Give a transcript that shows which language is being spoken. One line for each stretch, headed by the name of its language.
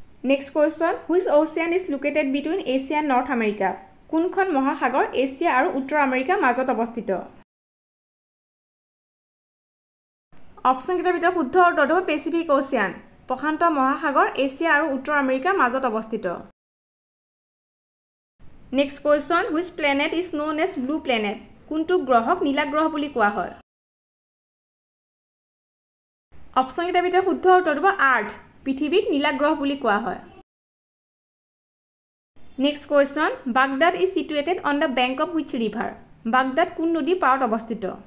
English: Next question, which ocean is located between Asia and north America?
Assamese: কোনখন মহাসাগৰ Asia আৰু উত্তৰ আমেৰিকাৰ মাজত অৱস্থিত? অপশ্যনকেইটাৰ ভিতৰত শুদ্ধ উত্তৰটো হ'ব পেচিফিক অ'চিয়ান। প্ৰশান্ত মহাসাগৰ এছিয়া আৰু উত্তৰ আমেৰিকাৰ মাজত অৱস্থিত।
English: Next question, which planet is known as blue planet?
Assamese: কোনটো গ্ৰহক নীলা গ্ৰহ বুলি কোৱা হয়? অপশ্যনকেইটাৰ ভিতৰত শুদ্ধ উত্তৰটো হ'ব আৰ্থ। পৃথিৱীক নীলা গ্ৰহ বুলি কোৱা হয়।
English: Next question, Baghdad is situated on the bank of which river?
Assamese: Baghdad কোন নদীৰ পাৰত অৱস্থিত?